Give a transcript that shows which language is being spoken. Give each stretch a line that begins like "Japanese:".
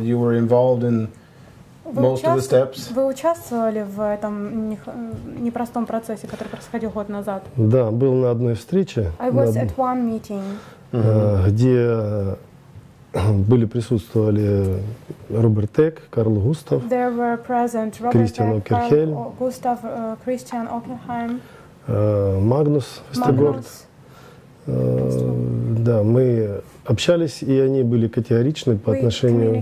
English: You were involved in most of the steps.
Russian: Вы участвовали в этом непростом процессе, который происходил год назад? Да, был на одной встрече.
English: I was at one meeting.
Russian: Где присутствовали Роберт Тек, Карл-Густаф.
English: There were present Robert Tek, Carl Gustav, Christian Ockenheim.
Russian: Магнус Вестегорд. Да, мы общались, и они были категоричны по отношению